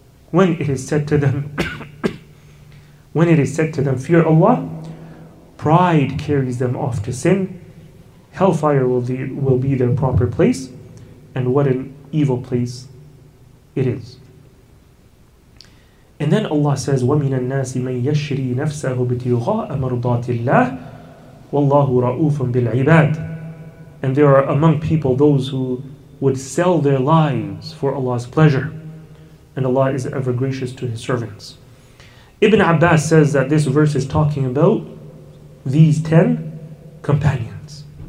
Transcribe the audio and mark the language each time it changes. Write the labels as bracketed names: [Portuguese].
[English] When it is said to them, fear Allah, pride carries them off to sin. Hellfire will be their proper place, and what an evil place it is. And then Allah says, [Arabic] وَمِنَ النَّاسِ مَنْ يَشْرِي نَفْسَهُ بِتِغَاءَ مَرْضَاتِ اللَّهِ وَاللَّهُ رَؤُوفٌ بِالْعِبَادِ. [English] And there are among people those who would sell their lives for Allah's pleasure, and Allah is ever gracious to His servants. Ibn Abbas says that this verse is talking about these 10 companions.